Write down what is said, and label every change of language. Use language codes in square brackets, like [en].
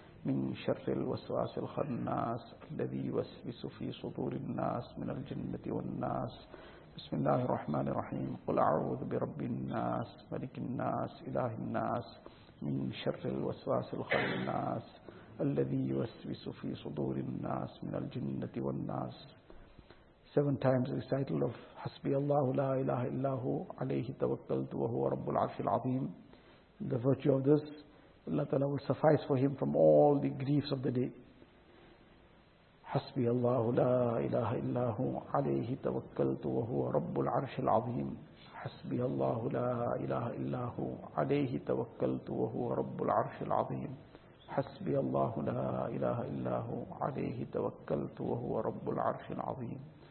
[ar] من شر الوسواس الخناس الذي يوسوس في صدور الناس من الجنة والناس بسم الله الرحمن الرحيم قل أعوذ برب الناس ملك الناس إله الناس من شر الوسواس الخناس الذي يوسوس في صدور الناس من الجنة والناس. [en] 7 times recital of [ar] حسبي الله لا إله إلا هو عليه توكلت وهو رب العرش العظيم. [en] The virtue of this, Allah Ta'ala will suffice for him from all the griefs of the day. [ar] حسبي الله لا إله إلا هو عليه توكلت وهو رب العرش العظيم. حسبي الله لا إله إلا هو عليه توكلت وهو رب العرش العظيم. حسبي الله لا إله إلا هو عليه توكلت وهو رب العرش العظيم.